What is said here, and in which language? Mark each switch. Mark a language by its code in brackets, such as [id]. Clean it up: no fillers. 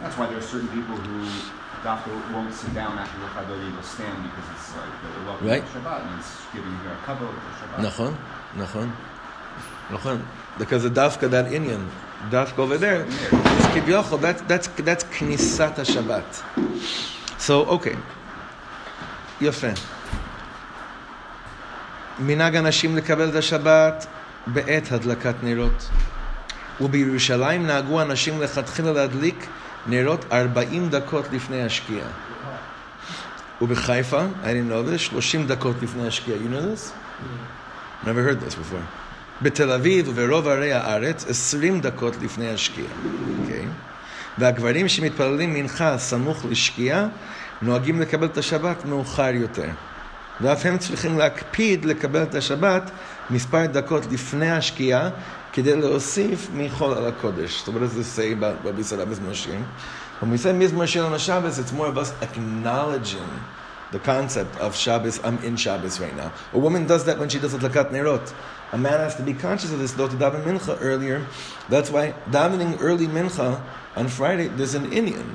[en] That's why there are certain people who won't sit down after the Chabad, they will stand because it's like the Shabbat and it's giving you a Kabbalah of Shabbat. [he] Nachon. [en] Because the Dafka, that Inyan, Dafka over there, it's Kibyochel, that's Knisata Shabbat. So, okay. Yafe. [he] מנהג אנשים לקבל את השבת בעת הדלקת נרות. ובירושלים נהגו אנשים לחתחילה להדליק נרות 40 דקות לפני השקיעה. ובחיפה, [en] I didn't know this, [he] 30 דקות לפני השקיעה. [en] You know this? Never heard this before. [he] בתל אביב וברוב ערי הארץ, 20 דקות לפני השקיעה. Okay. והגברים שמתפללים מנחה סמוך לשקיעה, נוהגים לקבל את השבת מאוחר יותר. ואף הם צריכים להקפיד לקבל את השבת מספר דקות לפני השקיעה כדי להוסיף מחול על הקודש. [en] So what does this say about what we said about Mizmor Shir? When we say Mizmor Shir on the Shabbos, it's more of us acknowledging the concept of Shabbos. I'm in Shabbos right now. A woman does that when she does Hadlakat Nerot. A man has to be conscious of this, though, to daven Mincha earlier. That's why davening early Mincha on Friday, there's an Inyan.